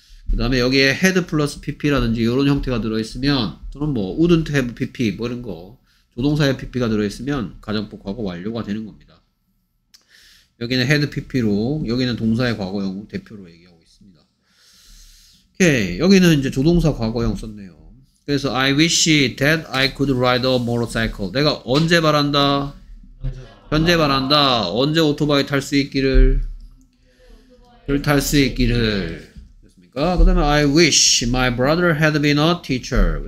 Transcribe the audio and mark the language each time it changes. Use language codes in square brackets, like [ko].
[ko] 그 다음에 여기에 had 플러스 pp라든지 이런 형태가 들어있으면, 또는 뭐 wouldn't have pp 뭐 이런 거, 조동사의 pp가 들어있으면 가정법 과거 완료가 되는 겁니다. 여기는 had pp로, 여기는 동사의 과거형 대표로 얘기하고 있습니다. 오케이. 여기는 이제 조동사 과거형 썼네요. 그래서 [en] I wish that I could ride a motorcycle. [ko] 내가 언제 바란다? 현재 바란다. 언제 오토바이 탈 수 있기를? 탈 수 있기를. 됐습니까? 그 다음에 [en] I wish my brother had been a teacher.